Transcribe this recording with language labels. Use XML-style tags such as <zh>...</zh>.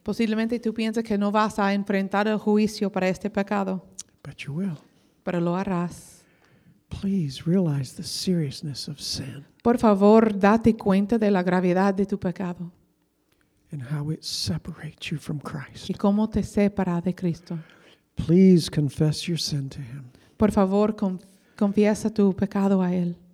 <es>Posiblemente tú pienses que no vas a enfrentar el juicio para este pecado.</es> <en>But you will.</en> <es>Pero lo harás.</es> <en>Please realize the seriousness of sin.</en> <es>Por favor, date cuenta de la gravedad de tu pecado.</es> <en>And how it separates you from Christ.</en> <es>Y cómo te separa de Cristo.</es> <en>Please confess your sin to him.</en> <es>Por favor, confiesa tu pecado a él.</es>